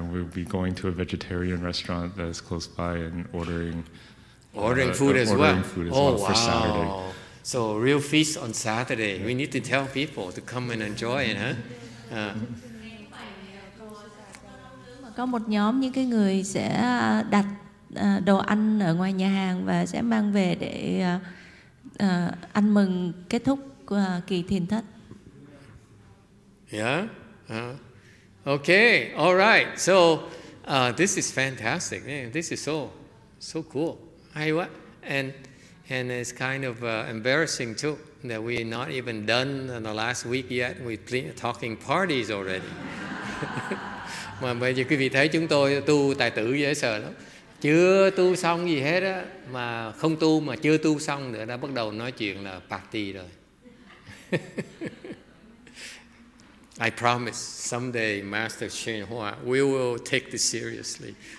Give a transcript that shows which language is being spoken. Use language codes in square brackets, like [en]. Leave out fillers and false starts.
[en] We'll be going to a vegetarian restaurant that is close by and ordering food as well for Saturday. So a real feast on Saturday. Yeah. We need to tell people to come and enjoy it, huh? [vi] Có một nhóm những cái người sẽ đặt đồ ăn ở ngoài nhà hàng và sẽ mang về để ăn mừng kết thúc kỳ thiền thất. [en] Yeah. Okay. All right. So this is fantastic. Yeah, this is so cool. [vi] Hay quá. [en] And it's kind of embarrassing too that we not even done in the last week yet. We're talking parties already. [vi] Mà bây giờ quý vị thấy chúng tôi tu tài tử dễ sợ lắm. Chưa tu xong gì hết á, mà không tu mà chưa tu xong nữa đã bắt đầu nói chuyện là party rồi. [en] I promise someday Master Shen Hua, we will take this seriously.